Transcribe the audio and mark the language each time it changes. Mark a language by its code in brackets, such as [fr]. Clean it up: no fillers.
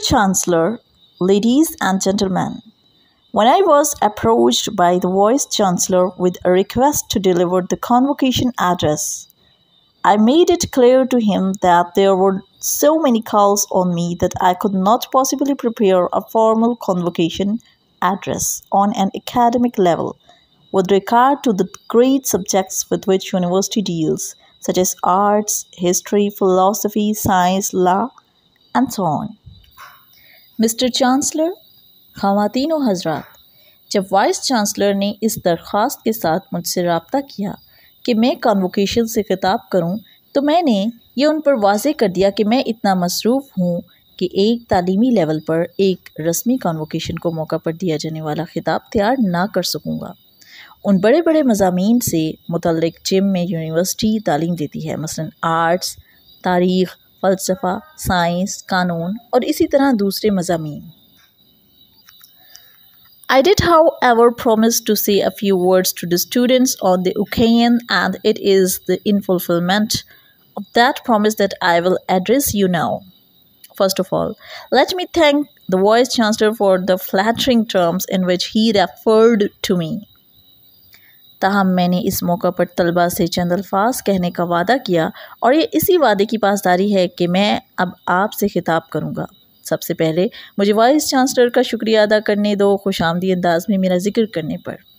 [en] Chancellor, ladies and gentlemen, when I was approached by the vice-chancellor with a request to deliver the convocation address, I made it clear to him that there were so many calls on me that I could not possibly prepare a formal convocation address on an academic level with regard to the great subjects with which university deals, such as arts, history, philosophy, science, law, and so on. Mr. [ur] Chancellor, خواتین و حضرات، جب vice chancellor نے اس درخواست کے ساتھ مجھ سے رابطہ کیا کہ میں کانوکیشن سے خطاب کروں تو میں نے یہ ان پر واضح کر دیا کہ میں اتنا مصروف ہوں کہ ایک تعلیمی لیول پر ایک رسمی کانوکیشن کو موقع پر دیا جانے والا خطاب تیار نہ کر سکوں گا۔ ان بڑے بڑے مضامین سے متعلق جم میں یونیورسٹی تعلیم دیتی ہے، مثلا آرٹس، تاریخ، فلسفہ، سائنس، قانون اور اسی طرح دوسرے مضامین۔ [en] I did, however, promise to say a few words to the students on the occasion, and it is the in fulfillment of that promise that I will address you now. First of all, let me thank the Vice Chancellor for the flattering terms in which he referred to me. [ur] تاہم میں نے اس موقع پر طلبہ سے چند الفاظ کہنے کا وعدہ کیا اور یہ اسی وعدے کی پاسداری ہے کہ میں اب آپ سے خطاب کروں گا۔ سب سے پہلے مجھے وائس چانسلر کا شکریہ ادا کرنے دو خوش آمدی انداز میں میرا ذکر کرنے پر۔